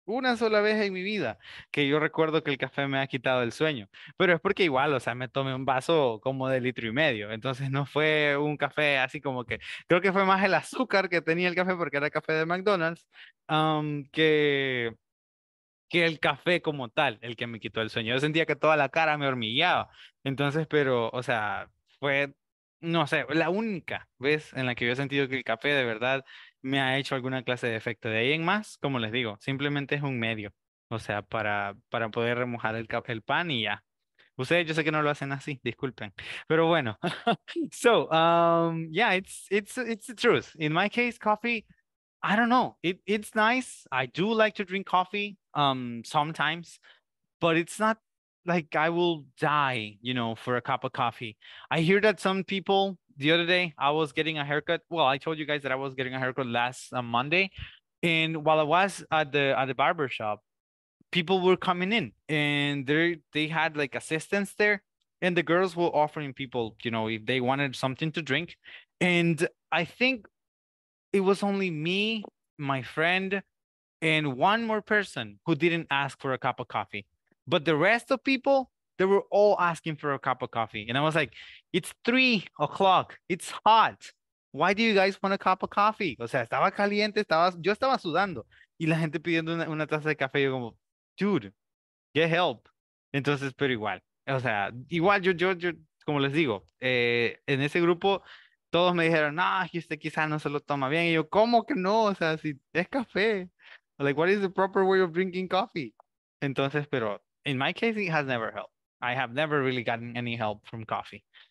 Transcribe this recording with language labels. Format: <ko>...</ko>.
<es>una sola vez en mi vida que yo recuerdo que el café me ha quitado el sueño, pero es porque igual, o sea, me tomé un vaso como de litro y medio, entonces no fue un café así como que, creo que fue más el azúcar que tenía el café, porque era café de McDonald's, que el café como tal, el que me quitó el sueño. Yo sentía que toda la cara me hormigueaba, entonces, pero, o sea, fue, no sé, la única vez en la que yo he sentido que el café de verdad me ha hecho alguna clase de efecto. De ahí en más, como les digo, simplemente es un medio, o sea, para poder remojar el pan y ya. Ustedes, yo sé que no lo hacen así, disculpen, pero bueno.</es> <en>So, yeah, it's the truth. In my case, coffee, I don't know, it's nice. I do like to drink coffee sometimes, but it's not like I will die, you know, for a cup of coffee. I hear that some people, the other day I was getting a haircut. Well, I told you guys that I was getting a haircut last Monday. And while I was at the barber shop, people were coming in and they had like assistants there. And the girls were offering people, you know, if they wanted something to drink. And I think it was only me, my friend, and one more person who didn't ask for a cup of coffee. But the rest of people, they were all asking for a cup of coffee. And I was like, it's 3 o'clock. It's hot. Why do you guys want a cup of coffee?</en> <es>O sea, estaba caliente. Yo estaba sudando. Y la gente pidiendo una taza de café. Yo como,</es> <en>dude, get help.</en> <es>Entonces, pero igual. O sea, igual yo como les digo, en ese grupo, todos me dijeron, no, usted quizás no se lo toma bien. Y yo, ¿cómo que no? O sea, si es café.</es> <en>Like, what is the proper way of drinking coffee?</en> <es>Entonces, pero</es> <en>in my case, it has never helped. I have never really gotten any help from coffee.</en>